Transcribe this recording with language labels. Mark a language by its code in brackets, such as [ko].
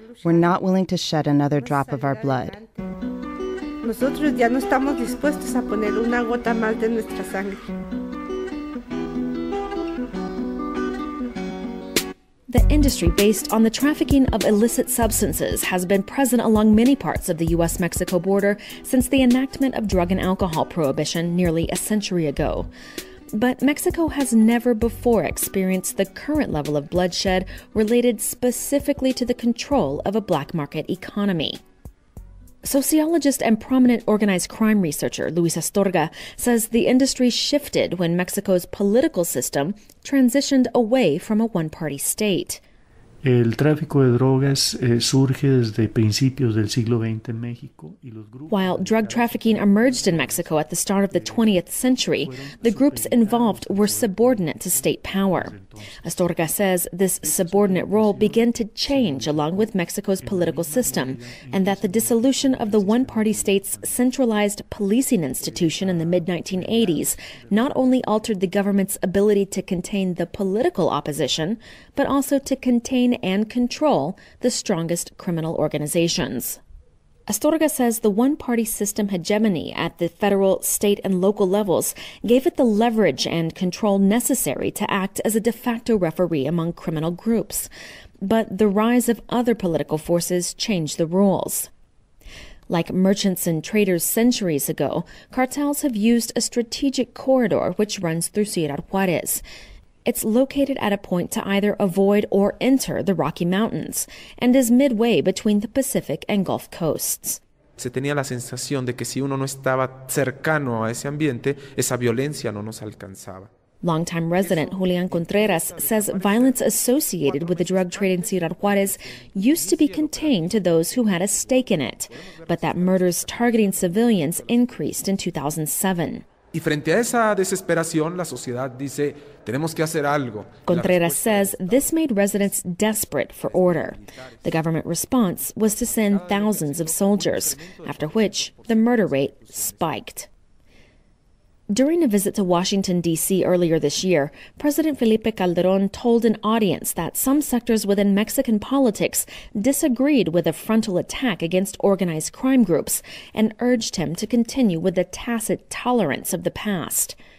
[en] We're not willing to shed another drop of our blood. [es] Nosotros ya no estamos dispuestos a poner una gota más de nuestra sangre. [en] The industry based on the trafficking of illicit substances has been present along many parts of the U.S.-Mexico border since the enactment of drug and alcohol prohibition nearly a century ago. But Mexico has never before experienced the current level of bloodshed related specifically to the control of a black market economy. Sociologist and prominent organized crime researcher Luis Astorga says the industry shifted when Mexico's political system transitioned away from a one-party state. [es] El tráfico de drogas surge desde principios del siglo XX en México y los grupos. [en] While drug trafficking emerged in Mexico at the start of the 20th century, the groups involved were subordinate to state power. Astorga says this subordinate role began to change along with Mexico's political system, and that the dissolution of the one-party state's centralized policing institution in the mid-1980s not only altered the government's ability to contain the political opposition, but also to contain and control the strongest criminal organizations. Astorga says the one-party system hegemony at the federal, state, and local levels gave it the leverage and control necessary to act as a de facto referee among criminal groups. But the rise of other political forces changed the rules. Like merchants and traders centuries ago, cartels have used a strategic corridor which runs through Ciudad Juarez. It's located at a point to either avoid or enter the Rocky Mountains and is midway between the Pacific and Gulf coasts. [es] Se tenía la sensación de que si uno no estaba cercano a ese ambiente, esa violencia no nos alcanzaba. [en] Longtime resident Julian Contreras says violence associated with the drug trade in Ciudad Juarez used to be contained to those who had a stake in it, but that murders targeting civilians increased in 2007. [es] Y frente a esa desesperación, la sociedad dice, tenemos que hacer algo. [en] Contreras says this made residents desperate for order. The government response was to send thousands of soldiers, after which the murder rate spiked. During a visit to Washington, D.C. earlier this year, President Felipe Calderón told an audience that some sectors within Mexican politics disagreed with a frontal attack against organized crime groups and urged him to continue with the tacit tolerance of the past.